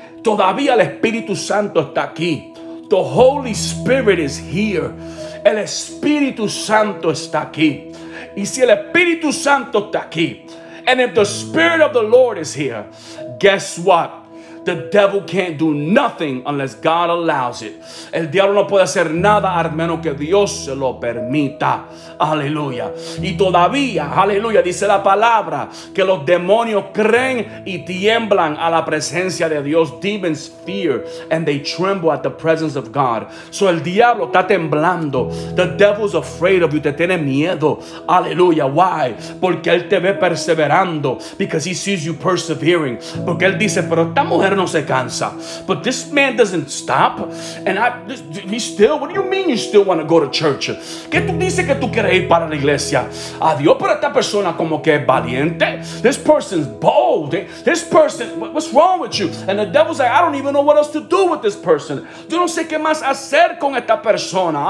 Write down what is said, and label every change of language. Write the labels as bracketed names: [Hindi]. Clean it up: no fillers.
[Spanish] Todavía el Espíritu Santo está aquí. [English] The Holy Spirit is here. [Spanish] El Espíritu Santo está aquí. Y si el Espíritu Santo está aquí, [English] and if the Spirit of the Lord is here, guess what? The devil can't do nothing unless God allows it. [Spanish] El diablo no puede hacer nada al menos que Dios se lo permita. Aleluya. Y todavía, aleluya, dice la palabra que los demonios creen y tiemblan a la presencia de Dios. [English] Demons fear and they tremble at the presence of God. [Spanish] So el diablo está temblando. [English] The devil's afraid of you. [Spanish] Te tiene miedo. Aleluya. Why? Porque él te ve perseverando. [English] Because he sees you persevering. [Spanish] Porque él dice, pero esta mujer no se cansa. [English] But this man doesn't stop. And he still, what do you mean you still want to go to church? [Spanish] ¿Qué tú dices que tú quieres ir para la iglesia? A Dios, pero esta persona como que es valiente. [English] This person's bold. This person, what's wrong with you? And the devil's like, I don't even know what else to do with this person. [Spanish] Yo no sé qué más hacer con esta persona.